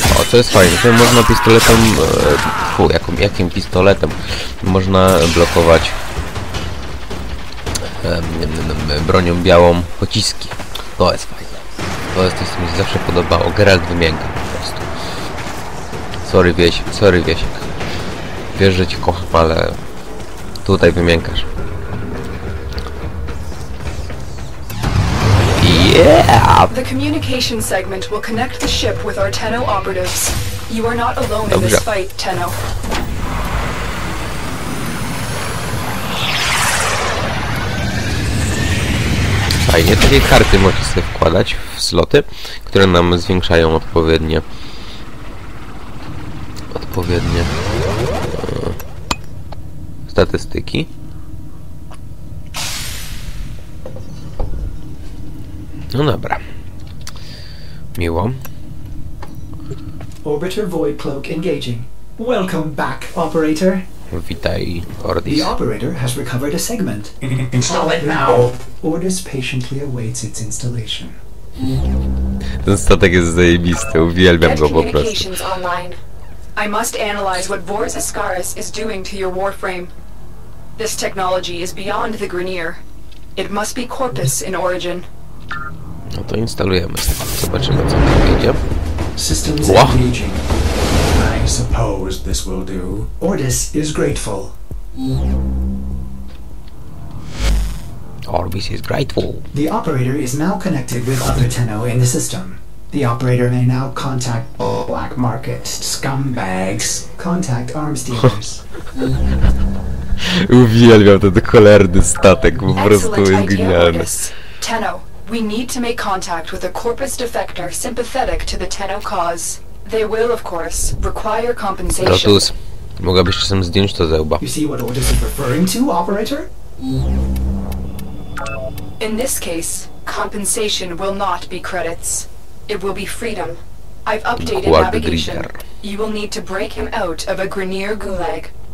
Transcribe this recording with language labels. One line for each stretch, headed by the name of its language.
Polish: To jest fajne, tutaj można pistoletem, jakim pistoletem można blokować bronią białą pociski. To jest fajne, to jest, mi się zawsze podobało, Geralt wymięka po prostu. Sorry Wiesiek, wiesz, że cię kocham, ale tutaj wymiękasz.
English: Yeah. The communication segment will connect the ship with our Tenno operatives. You are not alone.
Polish: Dobrze.
English: In this fight, Tenno.
Polish: Fajnie, takie karty możecie sobie wkładać w sloty, które nam zwiększają odpowiednie statystyki. No dobra. Miło.
English: Orbiter void cloak engaging. Welcome back, operator.
Polish: Witaj, Ordis.
English: The operator has recovered a segment. Install it now. Ordis patiently awaits its installation.
Polish: Ten statek jest zajebisty, uwielbiam go po prostu.
English: I must analyze what Vorz Ascaris is doing to your warframe. This technology is beyond the Grineer. It must be Corpus in origin.
Polish: No to instalujemy sobie. Zobaczymy, co tam idzie.
English: Systems engaging. I suppose this will do. Ordis is grateful. Orbis is grateful. The operator is now connected with other Tenno in the system. The operator may now contact black market scumbags. Contact arms dealers.
Polish: Uwielbiam ten cholerny statek, po prostu jest genialny.
English: Tenno, we need to make contact with a Corpus defector sympathetic to the Tenno cause. They will, of course, require compensation.
Polish: Lotus, mogłabyś czasem zdjąć to zęba.
English: You see what Ordis is referring to, operator? In this case, compensation will not be credits. It will be freedom. I've updated navigation. You will need to break him out of a Grineer gulag.